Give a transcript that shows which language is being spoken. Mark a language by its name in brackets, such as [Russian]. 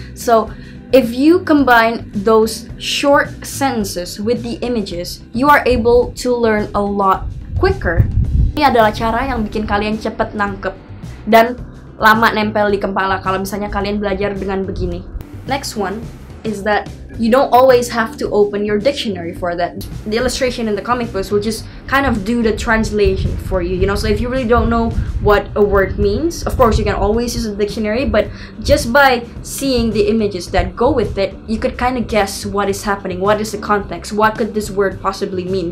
[English] So if you combine those short sentences with the images, you are able to learn a lot quicker. [Indonesian] Ini adalah cara yang bikin kalian cepet nangkep dan lama nempel di kepala kalau misalnya kalian belajar dengan begini. [English] Next one is that you don't always have to open your dictionary for that. The illustration in the comic books will just kind of do the translation for you, you know? So if you really don't know what a word means, of course you can always use a dictionary, but just by seeing the images that go with it, you could kind of guess what is happening, what is the context, what could this word possibly mean.